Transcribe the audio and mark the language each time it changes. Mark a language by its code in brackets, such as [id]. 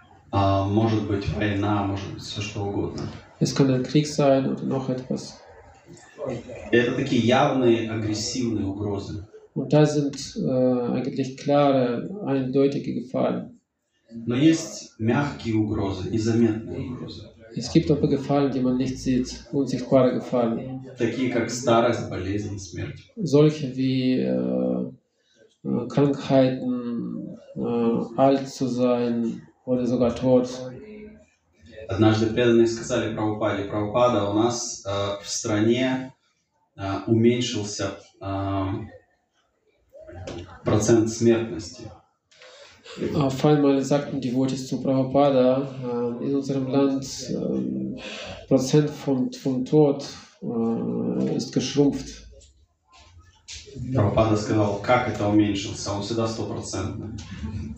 [ru] Может быть война, может быть все что угодно. [de] Es kann ein Krieg sein oder noch etwas. [ru] Это такие явные агрессивные угрозы. [de] Und das sind eigentlich klare, eindeutige Gefahren. [ru] Но есть мягкие угрозы, незаметные угрозы. [de] Es gibt aber Gefahren, die man nicht sieht, unsichtbare Gefahren. [ru] Такие как старость, болезнь, смерть. [de] Solche wie Krankheiten, alt zu sein. Oder sogar tot. [ru] Однажды преданные сказали Прабхупаде, Прабхупада, у нас в стране уменьшился процент смертности. [de] Auf einmal sagten die Worte zu Prabhupada, in unserem Land Prozent vom Tod ist geschrumpft. [ru] Прабхупада сказал, как это уменьшился, он всегда 100%.